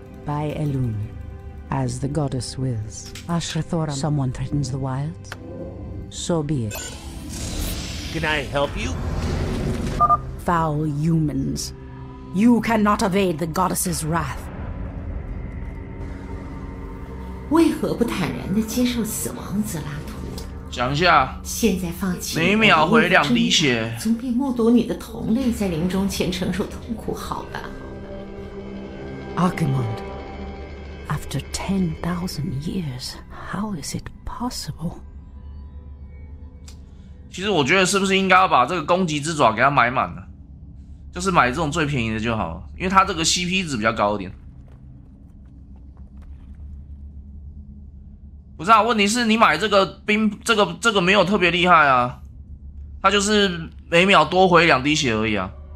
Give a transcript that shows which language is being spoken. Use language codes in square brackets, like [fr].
[en] By Elun, as the goddess wills. Ashra Thoraman. Someone threatens the wild. So be it. Can I help you? Foul humans. You cannot evade the goddess's wrath. [zh] 为何不坦然地接受死亡，泽拉图？讲一下。现在放弃。每秒回两滴血。总比目睹你的同类在临终前承受痛苦好吧。 [en] Archimond, after 10,000 years, how is it possible? [zh] 其实我觉得是不是应该要把这个攻击之爪给他买满了，就是买这种最便宜的就好了，因为他这个 CP 值比较高一点。不是啊，问题是你买这个冰，这个没有特别厉害啊，他就是每秒多回两滴血而已啊。